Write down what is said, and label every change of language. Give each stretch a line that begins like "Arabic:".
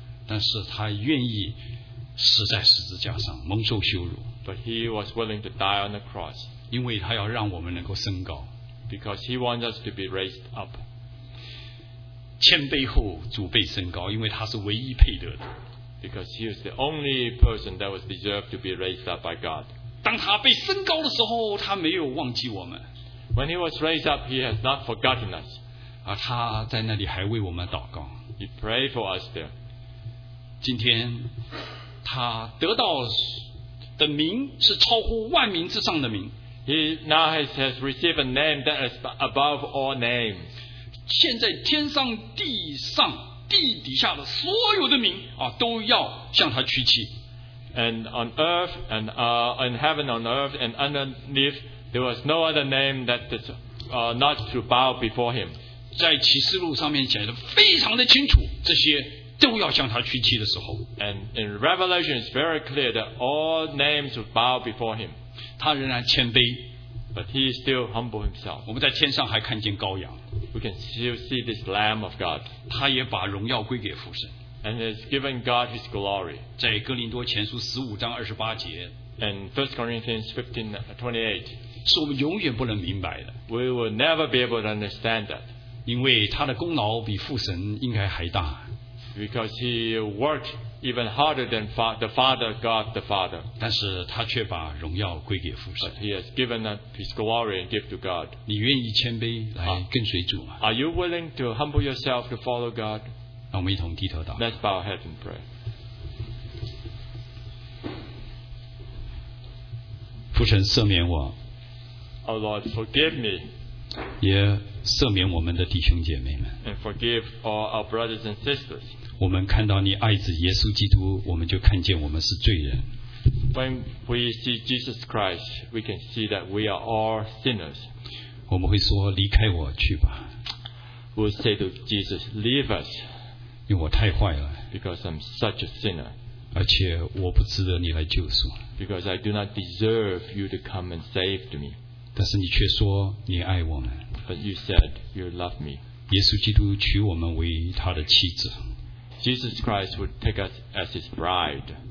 Chinese: 但是他愿意死在十字架上，蒙受羞辱。
English: But he was willing to die on the cross.
Chinese: 因为他要让我们能够升高。
English: Because he wants us to be raised up.
Chinese: 谦卑后主被升高，因为他是唯一配得的。
English: Because he is the only person that was deserved to be raised up by God.
Chinese: 当他被升高的时候，他没有忘记我们。
English: When he was raised up, he has not forgotten us.
Chinese: 而他在那里还为我们祷告。
English: He prayed for us there.
Chinese: 今天他得到的名是超乎万民之上的名。
English: He now has received a name that is above all names.
Chinese: 现在天上地上地底下的所有的民、啊、都要向他屈膝。
English: And on earth and in heaven, on earth and underneath, there was no other name that is not to bow before him.
Chinese: 在启示录上面写的非常的清楚，这些都要向他屈膝的时候。
English: And in Revelation, it's very clear that all names will bow before him.
Chinese: 他仍然谦卑。
English: But he still humbled himself.
Chinese: 我们在天上还看见羔羊。
English: We can still see this Lamb of God.
Chinese: 他也把荣耀归给父神。
English: And has given God His glory.
Chinese: 在哥林多前书十五章二十八节。
English: And First Corinthians 15:28.
Chinese: 是我们永远不能明白的。
English: We will never be able to understand that.
Chinese: 因为他的功劳比父神应该还大。
English: Because he worked even harder than the Father God the Father.
Chinese: 但是他却把荣耀归给父神。
English: But he has given his glory and gift to God.
Chinese: 你愿意谦卑来跟随主吗？
English: Are you willing to humble yourself to follow God?
Chinese: 让我们一同低头祷告。
English: Let's bow our heads and pray.
Chinese: 父神赦免我。
English: Oh Lord, forgive me.
Chinese: 也赦免我们的弟兄姐妹们。
English: And forgive all our brothers and sisters.
Chinese: 我们看到你爱子耶稣基督，我们就看见我们是罪人。
English: When we see Jesus Christ, we can see that we are all sinners.
Chinese: 我们会说离开我去吧。
English: We'll say to Jesus, leave us.
Chinese: 因为我太坏了。
English: Because I'm such a sinner.
Chinese: 而且我不值得你来救赎。
English: Because I do not deserve you to come and save me.
Chinese: 但是你却说你爱我们。
English: But you said you love me.
Chinese: 耶稣基督娶我们为他的妻子。
English: Jesus Christ would take us as his bride.